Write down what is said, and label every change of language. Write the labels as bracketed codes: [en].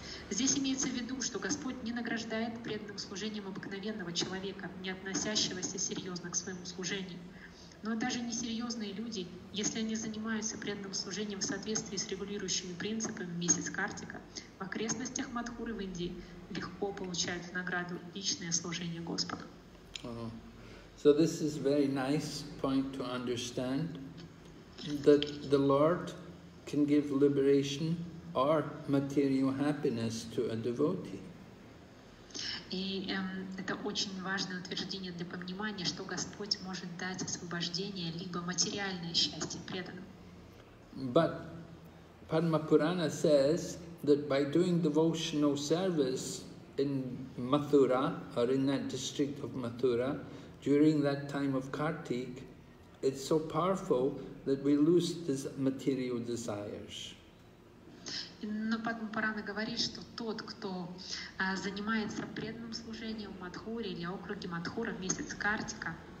[ru] Здесь имеется в виду, что Господь не награждает преданным служением обыкновенного человека, не относящегося серьезно к своему служению. Но даже несерьезные люди, если они занимаются преданным служением в соответствии с регулирующими принципами месяц Картика, в окрестностях Мадхуры в Индии легко получают в награду личное служение Господу. [en] So this is a very nice point to understand, that the Lord can give liberation or material happiness to a devotee. [ru] И это очень важное утверждение для понимания, что Господь может дать освобождение либо материальное счастье преданным. [en] But Padma Purana says that by doing devotional service in Mathura or in that district of Mathura during that time of Kartik, it's so powerful that we lose these material desires. [ru] Но Падма Пурана говорит, что тот, кто занимается преданным служением в Мадхуре или округе Мадхура в месяц Картика,